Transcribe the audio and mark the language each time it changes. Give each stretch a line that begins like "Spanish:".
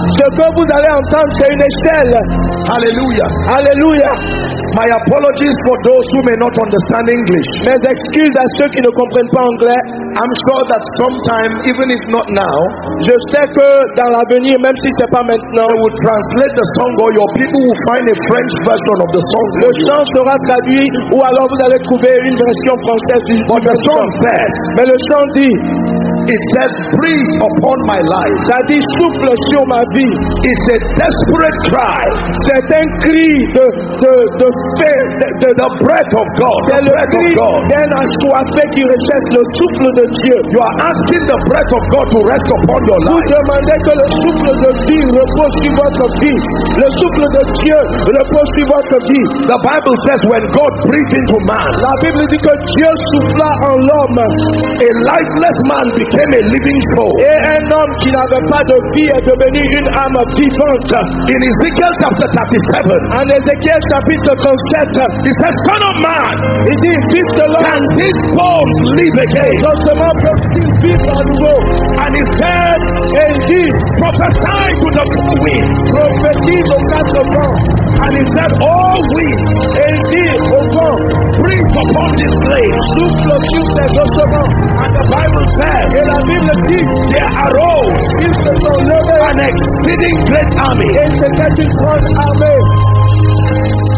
French: Ce que vous allez entendre, c'est une échelle.
English: Hallelujah. Hallelujah. My apologies for those who may not understand English.
French: Mes excuses à ceux qui ne comprennent pas anglais.
English: I'm sure that sometime, even if not now,
French: je sais que dans l'avenir, même si c'est pas maintenant,
English: they will translate the song or your people will find a French version of the song.
French: Le chant sera traduit ou alors vous allez trouver une version française du
English: chant. But the song says.
French: Mais le chant dit.
English: It says, "Breathe upon my life."
French: Ça dit souffle sur ma vie.
English: It's a desperate cry.
French: C'est un cri de faim,
English: the breath of God.
French: C'est le cri d'un assoiffé qui recherche le souffle de Dieu.
English: You are asking the breath of God to rest upon your life.
French: Vous demandez que le souffle de vie repose sur votre vie. Le souffle de Dieu repose sur votre vie.
English: The Bible says, "When God breathed into man,"
French: la Bible dit que Dieu souffla en l'homme,
English: a lifeless man. Became a living soul.
French: Et un homme qui n'avait pas de vie est devenu une âme vivante.
English: In Ezekiel chapter 37.
French: En Ezekiel chapitre 37.
English: He says, "Son of man."
French: Il dit, fils de l'homme.
English: Can his bones live again?
French: Justement, peut-il vivre à nouveau?
English: And he said,
French: et il dit,
English: prophesy to the four winds.
French: Prophétise aux quatre vents.
English: And he said, all winds.
French: Et il dit, au vent,
English: breathe upon this place.
French: Souffle sur ces ossements.
English: And the Bible says.
French: Et la Bible dit,
English: there arose an exceeding great army.
French: Et c'était une grande armée.